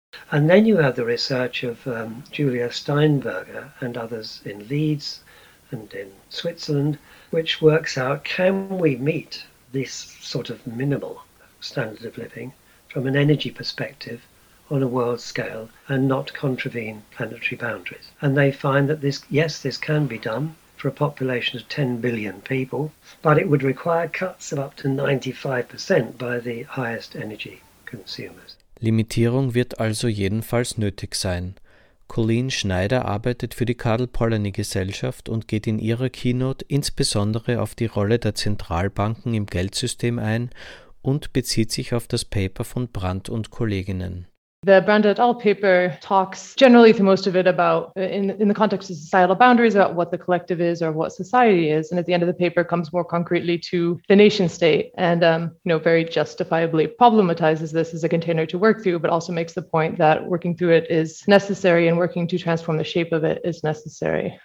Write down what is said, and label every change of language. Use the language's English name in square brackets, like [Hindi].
[English] And then you have the research of Julia Steinberger and others in Leeds and in Switzerland, which works out, can we meet this sort of minimal standard of living from an energy perspective on a world scale and not contravene planetary boundaries. And they find that this can be done for a population of 10 billion people, but it would require cuts of up to 95% by the highest energy consumers. [German] Limitierung wird also jedenfalls nötig sein. Colleen Schneider arbeitet für die Karl Polanyi Gesellschaft und geht in ihrer Keynote insbesondere auf die Rolle der Zentralbanken im Geldsystem ein und bezieht sich auf das Paper von Brandt und Kolleginnen. [English] The Brandt et al. Paper talks generally through most of it about, in the context of societal boundaries, about what the collective is or what society is. And at the end of the paper comes more concretely to the nation state and, very justifiably problematizes this as a container to work through, but also makes the point that working through it is necessary and working to transform the shape of it is necessary.